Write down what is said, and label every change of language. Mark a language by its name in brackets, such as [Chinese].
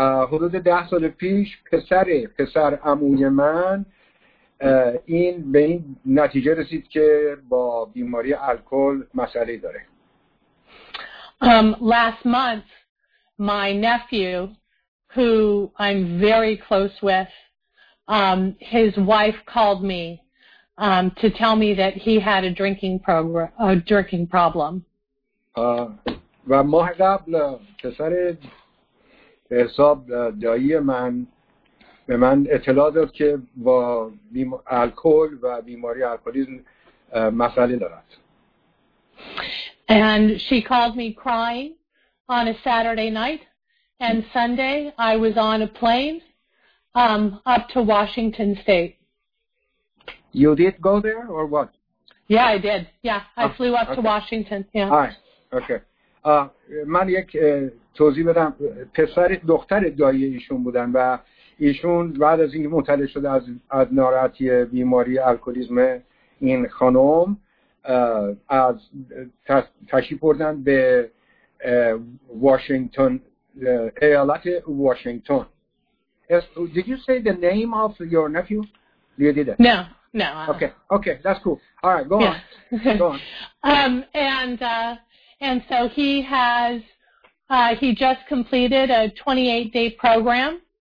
[Persian] حدود 10 سال پیش پسر عموی من این به این نتیجه رسید که با بیماری الکل مسئله داره. [English] Last month my nephew who I'm very close with his wife called me to tell me that he had a drinking problem. [Persian] و ماه قبل پسر به حساب دایی من به من اطلاع داد که با الکل و بیماری الکلیسم مسئله دارد. [English] And she called me crying on a Saturday night and Sunday I was on a plane up to Washington State. You did go there or what? Yeah, I did. Yeah, I flew up to Washington. Yeah. All right. Okay. [Persian] من یک توضیح بدم، پسر دختر دایی ایشون بودن و ایشون بعد از اینکه مطلع شد از ناراحتی بیماری الکلیسم این خانم از تشریف بردن به واشنگتن، ایالت واشنگتن. [English] Did you say the name of your nephew? You didn't. No. Okay, that's cool. All right, go on. Go on. And so he has, he just completed a 28-day program.